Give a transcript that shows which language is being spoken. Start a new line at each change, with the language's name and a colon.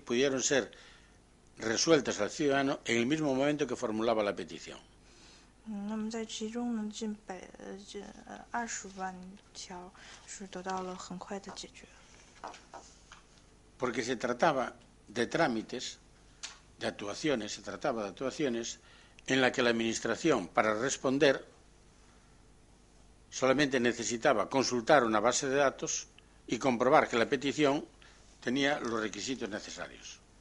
Spanish: pudieron ser resueltas al ciudadano en el mismo momento que formulaba la petición.
Chinese: 那么在其中呢，近百近二十万条是得到了很快的解决。
Spanish: Porque se trataba de trámites, de actuaciones, se trataba de actuaciones en la que la administración para responder solamente necesitaba consultar una base de datos y comprobar que la petición tenía los requisitos necesarios.